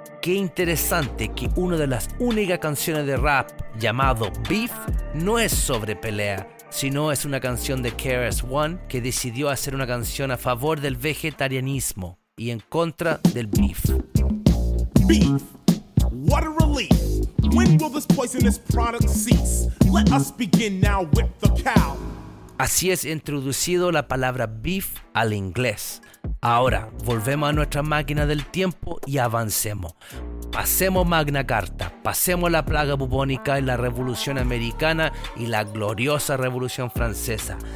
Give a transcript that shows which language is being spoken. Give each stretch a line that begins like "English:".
Spanish: Qué interesante que una de las únicas canciones de rap llamado Beef no es sobre pelea, sino es una canción de KRS-One que decidió hacer una canción a favor del vegetarianismo y en contra del beef.
English: Beef, what a relief. When will this poisonous product cease? Let us begin now with the cow.
Spanish: Así es introducido la palabra beef al inglés. Ahora, volvemos a nuestra máquina del tiempo y avancemos. Pasemos Magna Carta, pasemos la plaga bubónica y la Revolución Americana y la gloriosa Revolución Francesa.